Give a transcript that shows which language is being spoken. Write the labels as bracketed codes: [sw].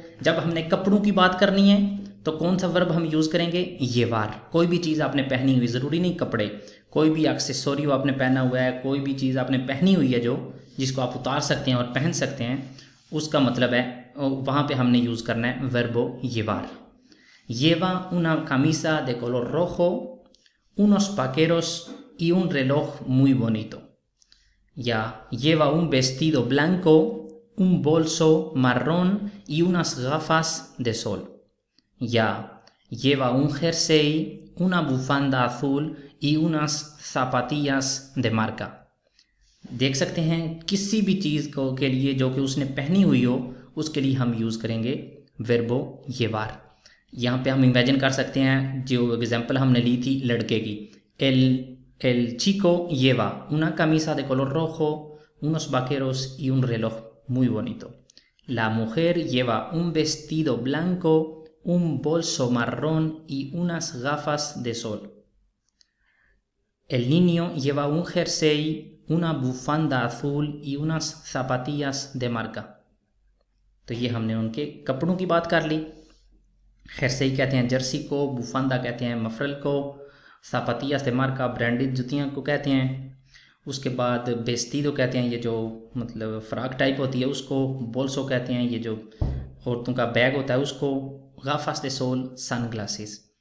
[hi] जब हमने कपड़ों की बात करनी है तो कौन सा वर्ब हम यूज़ करेंगे? [es] llevar। [hi] कोई भी चीज़ आपने पहनी हुई, ज़रूरी नहीं कपड़े, कोई भी एक्सेसरी आपने पहना हुआ है, कोई भी चीज़ आपने पहनी हुई है जो जिसको आप उतार सकते हैं और पहन सकते हैं, उसका मतलब है वहाँ पे हमने यूज़ करना है वर्बो llevar। [es] lleva una camisa de color rojo, unos vaqueros y un reloj muy bonito। [hi] या [es] lleva un vestido blanco, un bolso marrón y unas gafas de sol। [hi] या [es] lleva un jersey, una bufanda azul y unas zapatillas de marca। [hi] देख सकते हैं किसी भी चीज़ को के लिए जो कि उसने पहनी हुई हो उसके लिए हम यूज़ करेंगे वेर्बो येवार। यहाँ पे हम इमेजिन कर सकते हैं जो एग्जाम्पल हमने ली थी लड़के की, [es] El chico lleva una camisa de color rojo, unos vaqueros y un reloj muy bonito. La mujer lleva un vestido blanco, un bolso marrón y unas gafas de sol. El niño lleva un jersey, una bufanda azul y unas zapatillas de marca. [hi] तो ये हमने उनके कपड़ों की बात कर ली। Jersey कहते हैं जर्सी को, बुफांदा कहते हैं मफरल को, सापतिया से मार का ब्रांडेड जुतियाँ को कहते हैं, उसके बाद बेस्ती तो कहते हैं ये जो मतलब फ्रॉक टाइप होती है उसको, बोल्सो कहते हैं ये जो औरतों का बैग होता है उसको, गाफास दे सोल सनग्लासेस।